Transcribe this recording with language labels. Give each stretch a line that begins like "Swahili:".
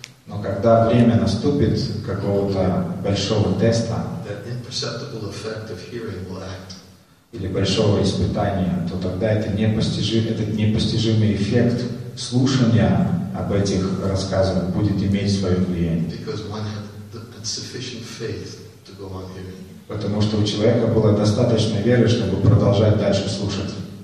Russian: но когда время наступит какого-то большого теста,
English: that imperceptible effect of hearing will act.
Russian: Или большого испытания, то тогда это непостижимый эффект слушания об этих рассказах будет иметь свое влияние.
English: Because one had the sufficient faith to go on hearing.
Russian: Потому что у человека было достаточно веры, чтобы продолжать дальше слушать.